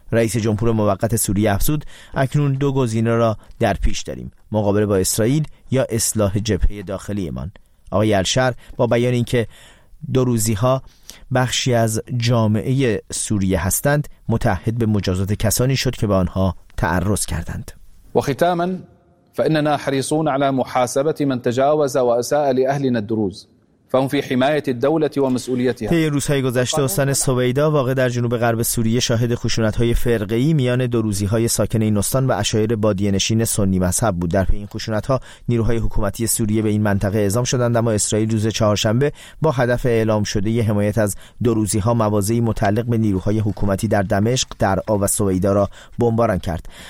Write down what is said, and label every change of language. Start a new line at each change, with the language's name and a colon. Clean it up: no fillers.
Persian: رئیس جمهور موقت سوریه افزود اکنون دو گزینه را در پیش داریم: مقابله با اسرائیل یا اصلاح جبهه داخلیمان. آقای الشر با بیان اینکه دو روزی ها بخشی از جامعه سوریه هستند، متحد به مجازات کسانی شد که به آنها تعرض کردند.
Arabic: و ختاما فاننا حريصون على محاسبه من تجاوز واساء لاهلنا الدروز فهم في حمايه الدوله ومسؤوليتها.
Persian: طی روزهای گذشته استان سویدا واقع در جنوب غرب سوریه شاهد خشونت های فرقه‌ای میان دروزی های ساکن این استان و عشایر بادیه نشین سنی مذهب بود. در پی این خشونت ها نیروهای حکومتی سوریه به این منطقه اعزام شدند، اما اسرائیل روز چهارشنبه با هدف اعلام شده حمایت از دروزی ها مواضعی متعلق به نیروهای حکومتی در دمشق، درعا و سویدا را بمباران کرد.